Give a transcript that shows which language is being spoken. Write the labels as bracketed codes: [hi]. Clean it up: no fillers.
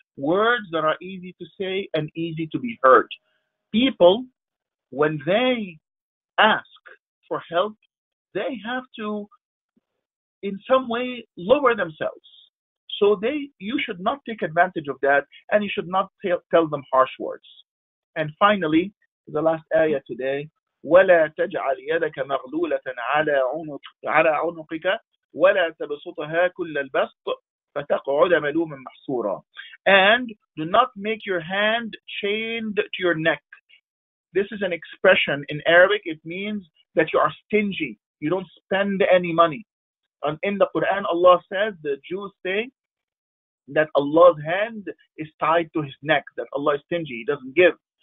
[en] Words that are easy to say and easy to be heard. People, when they ask for help, they have to, in some way, lower themselves. So you should not take advantage of that, and you should not tell them harsh words. And finally, the last ayah today, [ar] ولا تجعل يدك مغلولة على عنقك ولا تبسطها كل البسط فتقعد ملوما محصورا. [en] And do not make your hand chained to your neck. This is an expression in Arabic. It means that you are stingy. You don't spend any money. And in the Quran, Allah says, the Jews say that Allah's hand is tied to his neck, that Allah is stingy. He doesn't give.